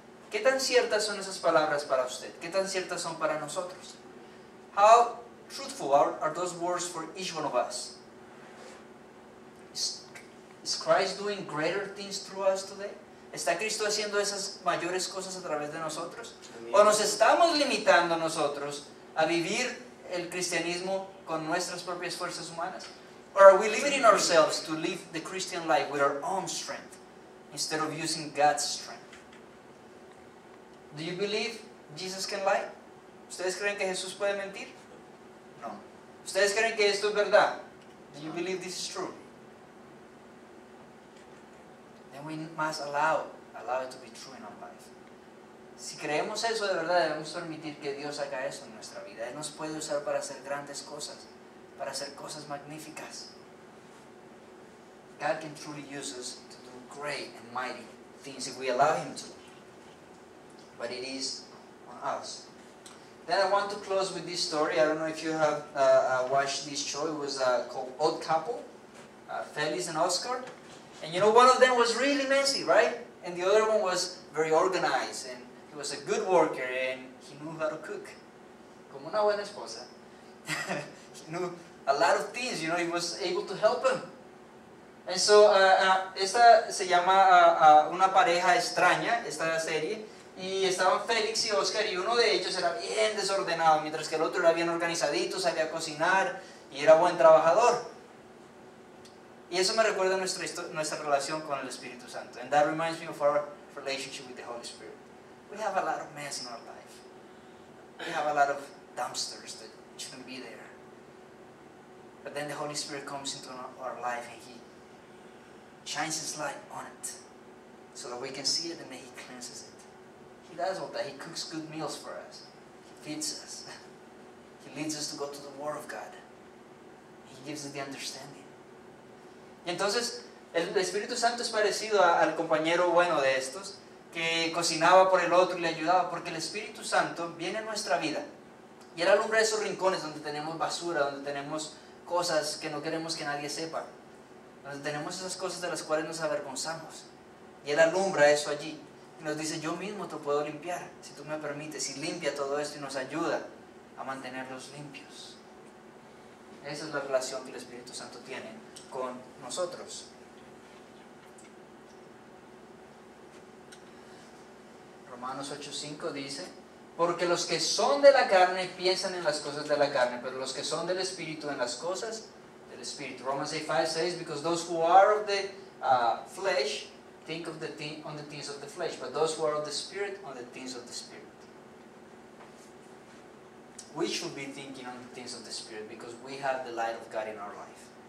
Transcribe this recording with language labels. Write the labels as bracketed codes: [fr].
[es] ¿Qué tan ciertas son esas palabras para usted? ¿Qué tan ciertas son para nosotros? [en] How truthful are those words for each one of us? Is Christ doing greater things through us today? [es] ¿Está Cristo haciendo esas mayores cosas a través de nosotros? ¿O nos estamos limitando nosotros a vivir el cristianismo con nuestras propias fuerzas humanas? [en] ¿O are we limiting ourselves to live the Christian life with our own strength instead of using God's strength? Do you believe Jesus can lie? [es] ¿Ustedes creen que Jesús puede mentir? No. ¿Ustedes creen que esto es verdad? [en] Do you believe this is true? Then we must allow it to be true in our life. [es] Si creemos eso de verdad, debemos permitir que Dios haga eso en nuestra vida. Él nos puede usar para hacer grandes cosas, para hacer cosas magníficas. [en] God can truly use us to do great and mighty things if we allow Him to. But it is on us. Then I want to close with this story. I don't know if you have watched this show. It was called Odd Couple, Felix and Oscar. And you know, one of them was really messy, right? And the other one was very organized, and he was a good worker, and he knew how to cook. [es] Como una buena esposa. [en] He knew a lot of things, you know, he was able to help him. [es] And so, esta se llama Una Pareja Extraña, esta serie, y estaban Félix y Oscar, y uno de ellos era bien desordenado, mientras que el otro era bien organizadito, sabía cocinar, y era buen trabajador. Y eso me recuerda a nuestra relación con el Espíritu Santo. [en] And that reminds me of our relationship with the Holy Spirit. We have a lot of mess in our life. We have a lot of dumpsters that shouldn't be there. But then the Holy Spirit comes into our life and He shines His light on it so that we can see it and then He cleanses it. He does all that. He cooks good meals for us. He feeds us. He leads us to go to the Word of God. He gives us the understanding. [es] Y entonces, el Espíritu Santo es parecido al compañero bueno de estos, que cocinaba por el otro y le ayudaba, porque el Espíritu Santo viene a nuestra vida. Y él alumbra esos rincones donde tenemos basura, donde tenemos cosas que no queremos que nadie sepa, donde tenemos esas cosas de las cuales nos avergonzamos. Y él alumbra eso allí. Y nos dice, yo mismo te puedo limpiar, si tú me permites. Y limpia todo esto y nos ayuda a mantenerlos limpios. Esa es la relación que el Espíritu Santo tiene con nosotros. Romanos 8:5 dice, porque los que son de la carne piensan en las cosas de la carne, pero los que son del Espíritu en las cosas del Espíritu. [en] Romans 8:5 says, because those who are of the flesh think of on the things of the flesh, but those who are of the Spirit on the things of the Spirit. We should be thinking on the things of the Spirit because we have the light of God in our life.